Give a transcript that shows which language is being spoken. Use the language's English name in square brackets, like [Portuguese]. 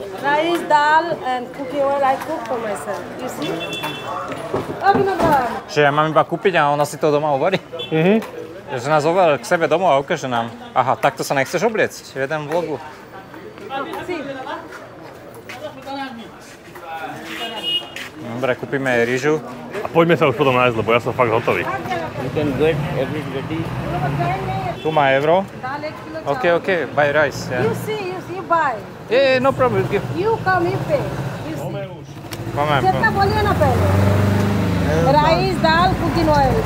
[English] Rice, dal and cooking oil I cook for myself. You see? [Slovak] Čiže ja mám iba kúpiť a ona si to doma uvarí? Mhm. Že nás uvarí k sebe domov a ukáže nám. Aha, takto sa nechceš obliecť v jednom vlogu. Dobre, kúpime aj rýžu. A poďme sa už potom nájsť, lebo ja som fakt hotový. [English] You can get everything ready. [Slovak] Tu má euro. [English] Ok, buy rice. Yeah. You see, buy. Yeah, no problem. You come, you pay. Come on. [Hindi] Jatna bolia na pehle. [English] Rice, dal, cooking oil.